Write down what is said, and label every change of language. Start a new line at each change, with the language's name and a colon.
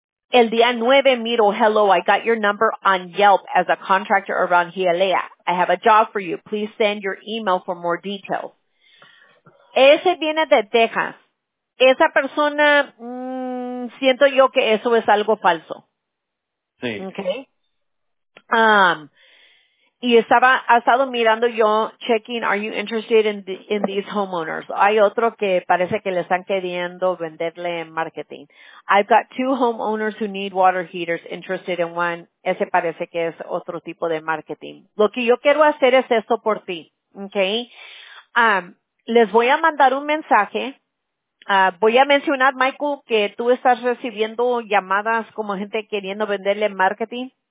Spanish: El día 9, miro,
English: hello, I got your number on Yelp as a contractor around Hialeah. I have a job for you. Please send your email for more details.
Spanish: Ese viene de Texas. Esa persona, siento yo que eso es algo falso. Sí. Okay. Y ha estado mirando yo,
English: checking, are you interested in these homeowners?
Spanish: Hay otro que parece que le están queriendo venderle en marketing.
English: I've got two homeowners who need water heaters interested in one.
Spanish: Ese parece que es otro tipo de marketing. Lo que yo quiero hacer es esto por ti, okay? Les voy a mandar un mensaje. Voy a mencionar, Michael, que tú estás recibiendo llamadas como gente queriendo venderle en marketing.